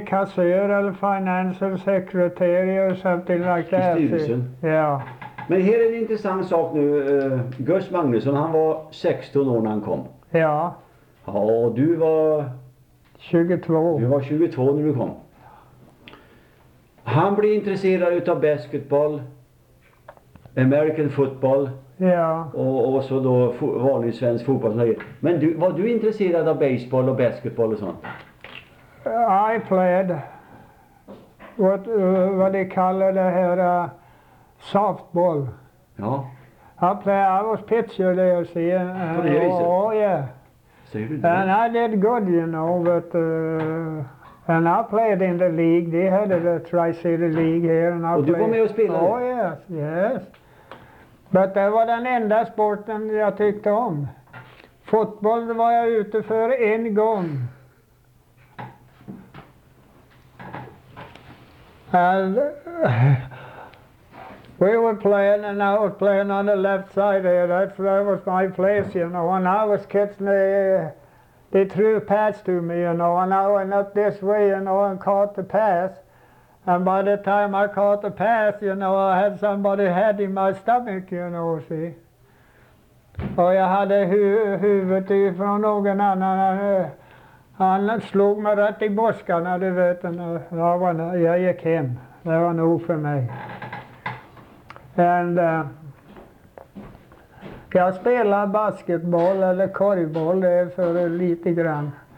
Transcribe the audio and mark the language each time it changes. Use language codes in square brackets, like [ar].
[sv] Kassör eller [en] financial secretary [sv] eller [en] something like that. [sv] I styrelsen? Ja. Men här är en intressant sak nu. Gust Magnusson, han var 16 år när han kom. Ja. Ja, och du var... 22. Du var 22 när du kom. Han blev intresserad utav basketball, American football, Ja. Och så då vanlig svensk fotboll. Men du, var du intresserad av baseball och basketball och sånt? [en] I played what they call [sv] det här [en] softball. [sv] Ja. [en] I was pitcher there, see. [sv] På det viset? [en] Oh yeah. [sv] Säger du inte? [en] And I did good, you know, but and I played in the league. They had the Tri-City League here. And I [sv] och [en] played. [sv] Du var med och spelade? [en] Oh yes, yes. But [sv] det var den enda sporten jag tyckte om. Fotboll var jag ute för en gång. [en] And we were playing, and I was playing on the left side here. That was my place, you know. When I was catching, they threw a pass to me, you know, and I went up this way, you know, and caught the pass. And by the time I caught the pass, you know, I had somebody head in my stomach, you know, see. [sv] Och jag hade huvudet ifrån någon annan. Han slog mig rätt i buskarna, du vet. Jag gick hem. Det var nog för mig. [en] And [sv] jag spelade basketboll eller korgboll för lite grann.